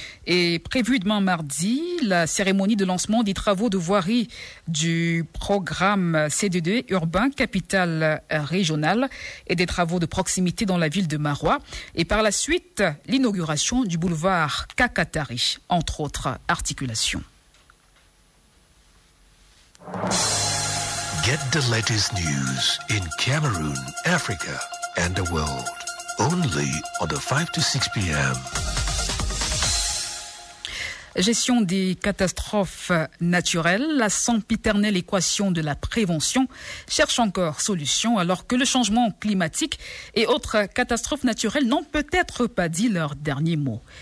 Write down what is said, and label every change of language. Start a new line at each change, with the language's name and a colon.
French: Et prévu demain mardi, la cérémonie de lancement des travaux de voirie du programme CDD urbain capitale régionale et des travaux de proximité dans la ville de Maroua. Et par la suite, l'inauguration du boulevard Kakatari, entre autres articulations.
English: Get the latest news in Cameroon, Africa and the world. Only on the 5 to 6 p.m.
French: Gestion des catastrophes naturelles, la sempiternelle équation de la prévention cherche encore solution alors que le changement climatique et autres catastrophes naturelles n'ont peut-être pas dit leur dernier mot.